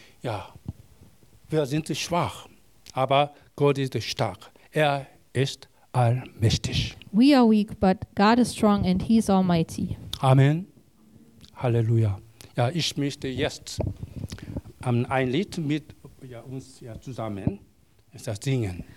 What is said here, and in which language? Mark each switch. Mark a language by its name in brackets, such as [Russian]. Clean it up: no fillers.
[German] Ja, wir sind schwach, aber Gott ist stark. Er ist allmächtig. [English] We are weak, but God is strong and he is almighty. [German] Amen. Halleluja. Ja, ich möchte jetzt ein Lied mit uns zusammen singen.